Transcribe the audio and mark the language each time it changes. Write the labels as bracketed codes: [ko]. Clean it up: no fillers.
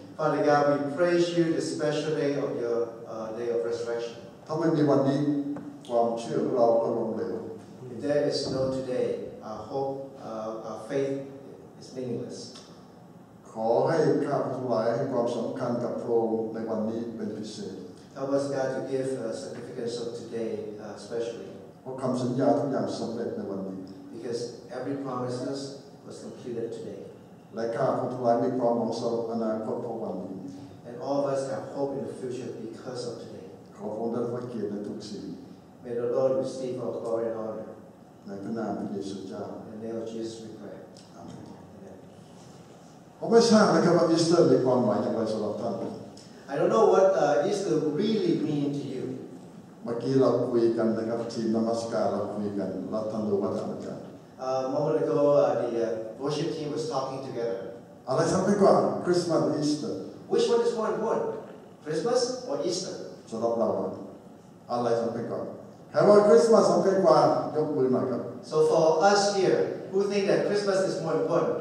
[en] Father God, we praise you this special day of your day of resurrection. [th] ถ้าไม่มีวันนี้ความเชื่อของเราก็ล้มเหลว [en] If there is no today, our hope, our faith is meaningless. [th] ขอให้ข้าพเจ้าหลายให้ความสำคัญกับพระองค์ในวันนี้เป็นพิเศษ [en] Help us God to give the significance of today especially. [th] เพราะคำสัญญาทุกอย่างสำเร็จในวันนี้ [en] Because every promise was completed today. [th] และข้าพเจ้าไม่พร้อมสำหรับอนาคตเพราะวันนี้ [en] And all of us have hope in the future because of today [th] ขอพระองค์ได้รับเกียรติในทุกสิ่ง [en] May the Lord receive our glory and honor [th] ในพระนามพระเยซูเจ้า [en] In the name of Jesus we pray [th] Amen ผมไม่ทราบนะครับว่าอีสเตอร์มีความหมายอย่างไรสำหรับท่าน [en] I don't know what Easter really mean to you [th] เมื่อกี้เราคุยกันนะครับทีมนมัสการเราคุยกันเราท่านรู้ว่าทำไมกัน [en] A moment ago, the worship team was talking together. [th] อะไรสำคัญกว่า [en] Christmas or Easter? Which one is more important, Christmas or Easter? [th] สำหรับเราอะไรสำคัญกว่าถ้าว่า Christmas สำคัญกว่ายกมือหน่อยครับ [en] So for us here, who think that Christmas is more important?